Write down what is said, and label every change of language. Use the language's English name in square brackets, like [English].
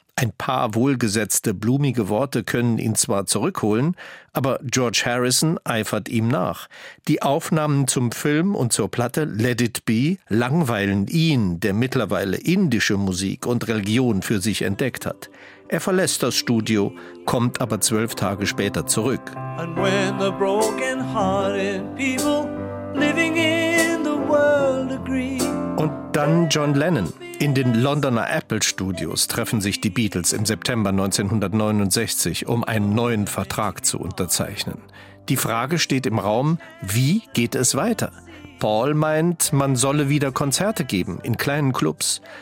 [German] Ein paar wohlgesetzte, blumige Worte können ihn zwar zurückholen, aber George Harrison eifert ihm nach. Die Aufnahmen zum Film und zur Platte Let It Be langweilen ihn, der mittlerweile indische Musik und Religion für sich entdeckt hat. Er verlässt das Studio, kommt aber 12 Tage später zurück. [English] And when the broken-hearted people living in the world agree. [German] Und dann John Lennon. In den Londoner Apple Studios treffen sich die Beatles im September 1969, um einen neuen Vertrag zu unterzeichnen. Die Frage steht im Raum, wie geht es weiter? Paul meint, man solle wieder Konzerte geben, in kleinen Clubs.